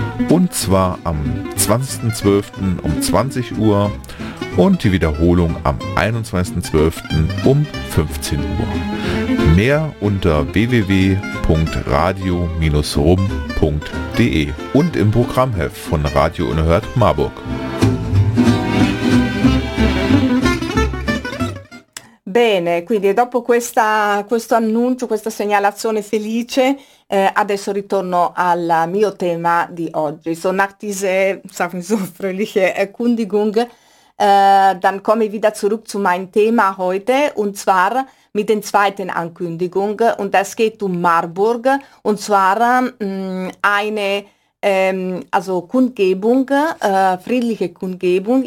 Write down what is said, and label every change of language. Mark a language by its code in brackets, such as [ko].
[de] Und zwar am 20.12. um 20 Uhr und die Wiederholung am 21.12. um 15 Uhr. Mehr unter www.radio-rum.de und im Programmheft von Radio Unerhört Marburg. [it] Bene, quindi dopo questo annuncio, questa segnalazione felice, adesso ritorno al mio tema di oggi. [de] So nach dieser, sagen wir so, fröhliche Erkundigung, dann komme ich wieder zurück zu meinem Thema heute, und zwar mit der zweiten Ankündigung, und das geht um Marburg, und zwar eine Also Kundgebung, friedliche Kundgebung.